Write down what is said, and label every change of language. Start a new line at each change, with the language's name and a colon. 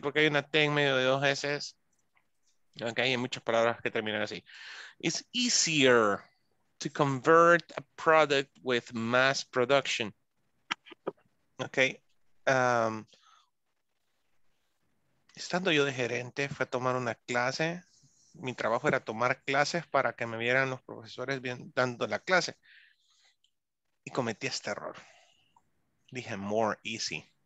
Spanish: Porque hay una T en medio de dos S. Okay, hay muchas palabras que terminan así.
English: It's easier to convert a product with mass production. Okay.
Spanish: Estando yo de gerente, fue a tomar una clase. Mi trabajo era tomar clases para que me vieran los profesores bien dando la clase. Y cometí este error. Dije,
English: more easy.